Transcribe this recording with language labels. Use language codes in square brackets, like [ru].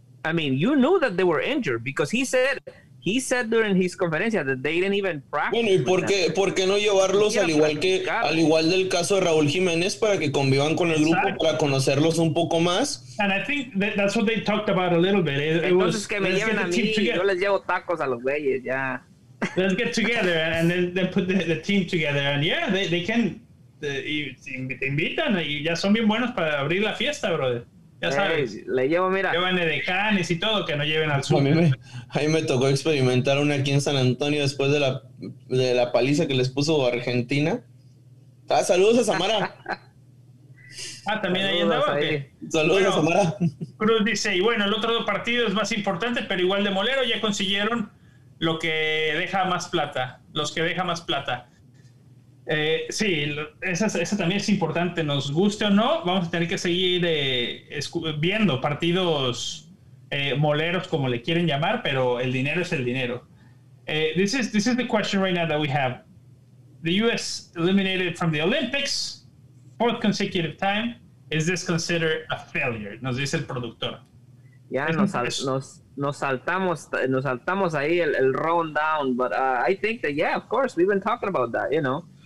[en] I mean, you knew that they were injured because he said during his conferencia that they didn't even practice. [es] Bueno, ¿y por qué no llevarlos al igual del caso de Raúl Jiménez para que convivan con el grupo, [en] exactly, [es] para conocerlos un poco más? [en] And I think that's what they talked about a little bit. [es] Entonces que me lleven a mí, yo les llevo tacos a los güeyes, ya. [en] Let's get together and then put the team together. And yeah, they can, [es] te invitan y ya son bien buenos para abrir la fiesta, brother. Ya sabes. Hey, le llevo, mira. Llevan de canes y todo, que no lleven al sur. A mí me tocó experimentar una aquí en San Antonio después de la paliza que les puso Argentina. Ah, saludos a Samara. Ah, también saludos, ahí andaba. Ahí. Saludos, bueno, a Samara. Cruz dice, y bueno, el otro partido es más importante, pero igual de molero, ya consiguieron lo que deja más plata, los que deja más plata. Sí, esa también es importante, nos guste o no, vamos a tener que seguir viendo partidos moleros, como le quieren llamar, pero el dinero es el dinero. [en] This is the question right now that we have. The U.S. eliminated from the Olympics, fourth consecutive time, is this considered a failure? [es] Nos dice el productor. Ya nos saltamos ahí el round down, [en] but I think that, yeah, of course, we've been talking about that, you know.